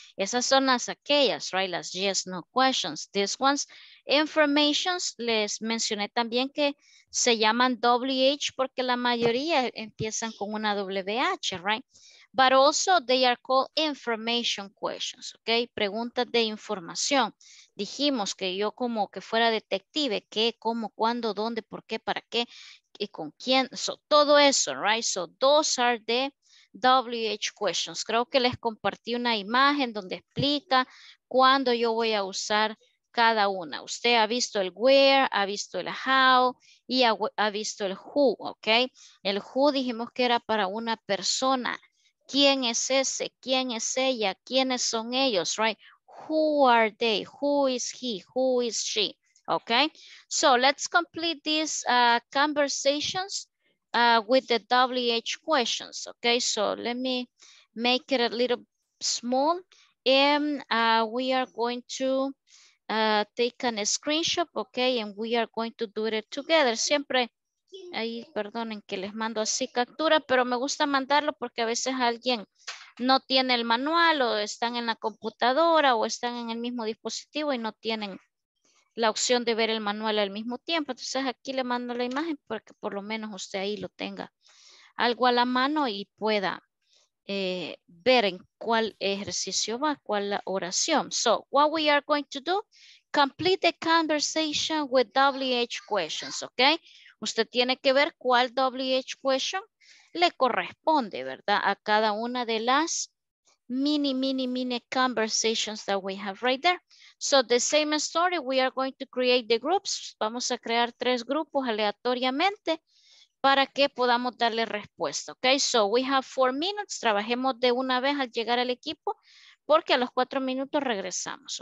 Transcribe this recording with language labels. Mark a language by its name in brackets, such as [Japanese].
[Spanish] Esas son las aquellas, right? [English] Las yes, no questions. These ones, informations, [Spanish] les mencioné también que se llaman WH porque la mayoría empiezan con una WH, right? [English] But also they are called information questions, okay? [Spanish] Preguntas de información. Dijimos que yo como que fuera detective, qué, cómo, cuándo, dónde, por qué, para qué, y con quién. [English] So, [Spanish] todo eso, [English] right? So those are the WH questions. [Spanish] Creo que les compartí una imagen donde explica cuándo yo voy a usar cada una. Usted ha visto el where, ha visto el how y ha visto el who, ¿ok? El who dijimos que era para una persona. ¿Quién es ese? ¿Quién es ella? ¿Quiénes son ellos? [English] Right? Who are they? Who is he? Who is she? ¿Ok? So let's complete these conversations with the WH questions. Okay, so let me make it a little small. And we are going to take a screenshot, okay? And we are going to do it together. [Spanish] Siempre, ahí, perdonen que les mando así captura, pero me gusta mandarlo porque a veces alguien no tiene el manual o están en la computadora o están en el mismo dispositivo y no tienen la opción de ver el manual al mismo tiempo. Entonces aquí le mando la imagen para que por lo menos usted ahí lo tenga algo a la mano y pueda ver en cuál ejercicio va, cuál la oración. [English] So what we are going to do, complete the conversation with WH questions, okay? [Spanish] Usted tiene que ver cuál WH question le corresponde, ¿verdad? A cada una de las mini [English] conversations that we have right there. So the same story, we are going to create the groups. [Spanish] Vamos a crear tres grupos aleatoriamente para que podamos darle respuesta. [English] Okay, so we have 4 minutes. [Spanish] Trabajemos de una vez al llegar al equipo porque a los 4 minutos regresamos.